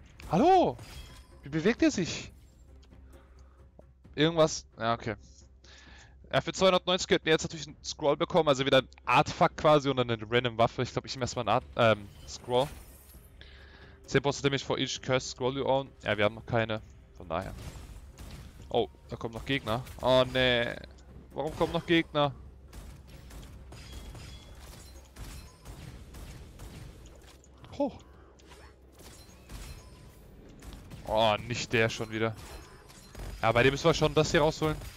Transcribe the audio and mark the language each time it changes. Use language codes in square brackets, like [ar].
[de] Hallo? Wie bewegt er sich? Irgendwas. Ja, okay. Ja, für 290 hätten wir jetzt natürlich einen Scroll bekommen. Also wieder ein Artfuck quasi und eine random Waffe. Ich glaube, ich nehme erstmal einen Scroll. [en] 10% Damage for each cursed scroll you own. [de] Ja, wir haben noch keine. Von daher. Oh, da kommen noch Gegner. Oh nee. Warum kommen noch Gegner? Hoch. Oh, nicht der schon wieder. Ja, bei dem müssen wir schon das hier rausholen.